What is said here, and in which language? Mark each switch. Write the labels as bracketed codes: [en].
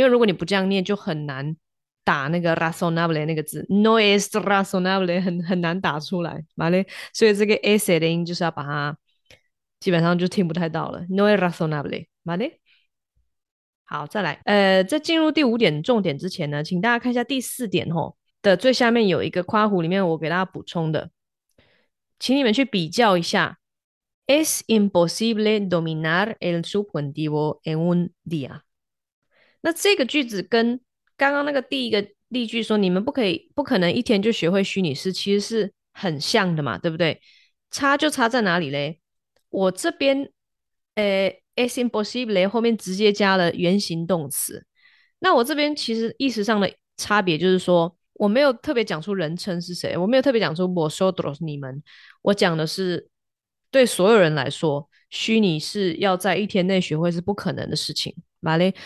[zh] 因为如果你不这样念，就很难打那个 razonable 那个字， [es] no es razonable [zh] 很难打出来，马嘞。所以这个 S 的音就是要把它，基本上就听不太到了， [es] no es razonable， [zh] 马嘞。好，再来，在进入第五点重点之前呢，请大家看一下第四点吼的最下面有一个括弧，里面我给大家补充的。请你们去比较一下， [es] es imposible dominar el subjuntivo en un día。 [zh] 那这个句子跟刚刚那个第一个例句说你们不可能一天就学会虚拟式，其实是很像的嘛，对不对？差就差在哪里嘞？我这边，es imposible 后面直接加了原形动词，那我这边其实意思上的差别就是说，我没有特别讲出人称是谁，我没有特别讲出 vosotros 你们，我讲的是对所有人来说，虚拟是要在一天内学会是不可能的事情，马嘞。